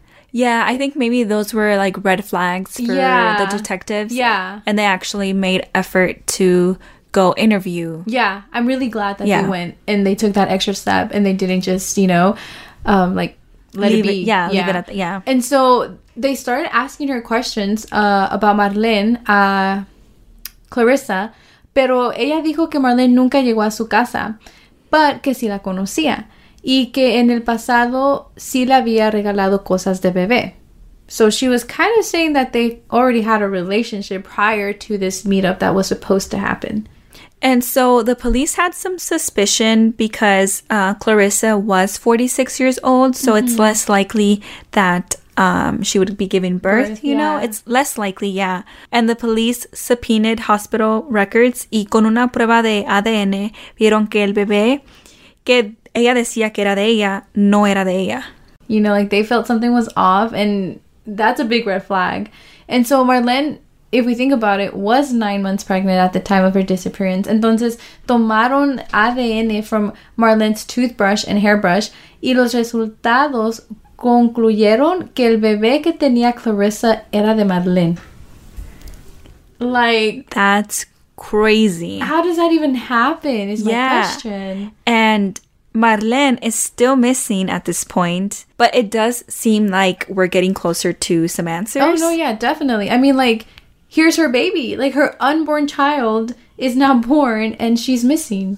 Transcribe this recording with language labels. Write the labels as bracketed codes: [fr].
[en] yeah, I think maybe those were, like, red flags for the detectives. Yeah. And they actually made effort to go interview. Yeah, I'm really glad that they went and they took that extra step and they didn't just, you know, let it be. Leave it at that. And so they started asking her questions about Marlene, Clarissa, [es] pero ella dijo que Marlene nunca llegó a su casa, but que sí la conocía. Y que en el pasado sí le había regalado cosas de bebé. [en] So she was kind of saying that they already had a relationship prior to this meetup that was supposed to happen. And so the police had some suspicion because Clarissa was 46 years old. So it's less likely that she would be giving birth, you know? It's less likely, yeah. And the police subpoenaed hospital records. [es] Y con una prueba de ADN vieron que el bebé que ella decía que era de ella, no era de ella. [en] You know, like, they felt something was off, and that's a big red flag. And so Marlene, if we think about it, was 9 months pregnant at the time of her disappearance. [es] Entonces, tomaron ADN [en] from Marlene's toothbrush and hairbrush, [es] y los resultados concluyeron que el bebé que tenía Clarissa era de Marlene. [en] Like, that's crazy. How does that even happen, is my question. And Marlene is still missing at this point, but it does seem like we're getting closer to some answers. Oh, no, yeah, definitely. I mean, like, here's her baby. Like, her unborn child is now born and she's missing.